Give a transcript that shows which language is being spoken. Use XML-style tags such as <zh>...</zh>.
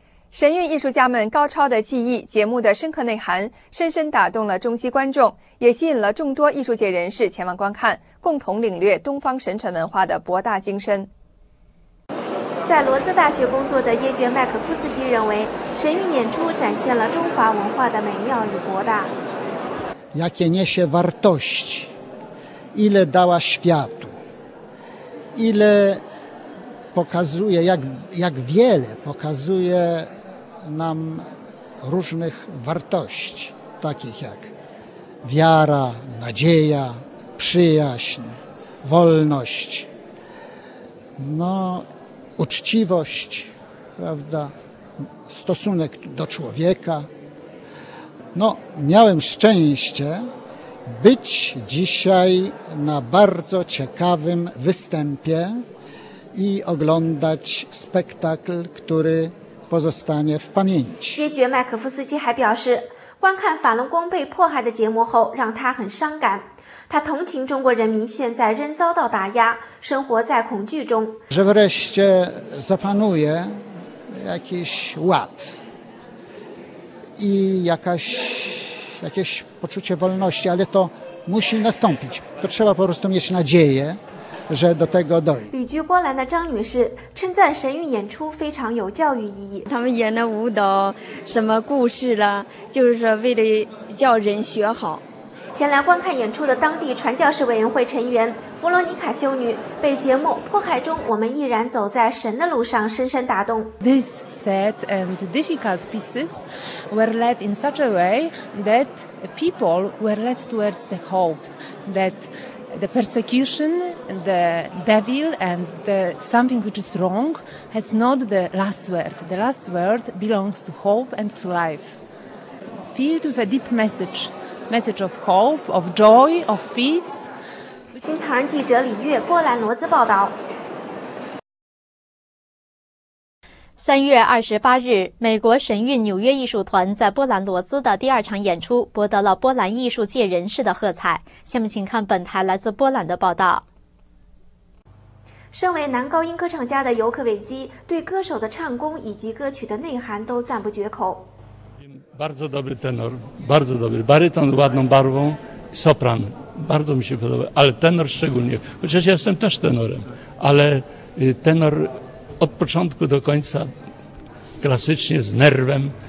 <zh>神韵艺术家们高超的技艺、节目的深刻内涵，深深打动了中西观众，也吸引了众多艺术界人士前往观看，共同领略东方神传文化的博大精深。在罗兹大学工作的叶卷麦克夫斯基认为，神韵演出展现了中华文化的美妙与博大。</zh> <pl>Jakie niesie wartości, ile dała światu, ile pokazuje, jak wiele pokazuje. Nam różnych wartości, takich jak wiara, nadzieja, przyjaźń, wolność, no, uczciwość, prawda, stosunek do człowieka. No, miałem szczęście być dzisiaj na bardzo ciekawym występie i oglądać spektakl, któryPozostanie w pamięci.</pl> <zh>叶爵麦克夫斯基还表示，观看法轮功被迫害的节目后，让他很伤感。他同情中国人民现在仍遭到打压，生活在恐惧中。</zh> <pl>Że wreszcie zapanuje jakiś ład i jakieś poczucie wolności, ale to musi nastąpić. To trzeba po prostu mieć nadzieję, że do tego dojdzie.</pl> <zh>旅居波兰的张女士称赞神韵演出非常有教育意义。他们演的舞蹈、什么故事啦，就是说为了叫人学好。前来观看演出的当地传教士委员会成员弗罗尼卡修女被节目《迫害中我们依然走在神的路上》深深打动。</zh> <en>This sad and difficult pieces were led in such a way that people were led towards the hope that. The persecution, the devil, and the something which is wrong has not the last word. The last word belongs to hope and to life. Filled with a deep message, message of hope, of joy, of peace.</en> <zh>新唐人记者李月，波兰罗兹报道。 3月28日，美国神韵纽约艺术团在波兰罗兹的第二场演出博得了波兰艺术界人士的喝彩。下面请看本台来自波兰的报道。身为男高音歌唱家的尤克韦基对歌手的唱功以及歌曲的内涵都赞不绝口。</zh> <pl>Bardzo dobry tenor, bardzo dobry baryton, ładną barwą, sopran. Bardzo mi się podoba, ale tenor szczególnie. Chociaż ja jestem też tenorem, ale tenorOd początku do końca, klasycznie, z nerwem.</pl>